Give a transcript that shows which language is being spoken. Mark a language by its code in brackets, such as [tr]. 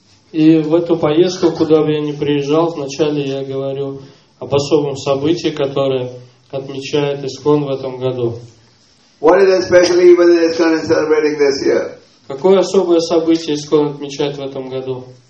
[ru] И в эту поездку, куда бы я ни приезжал, вначале я говорю об особом событии, которое отмечает ИСКОН в этом году. [en] What is the special event that is going to be celebrating this year? [ru] Какое особое событие ИСКОН отмечает в этом году?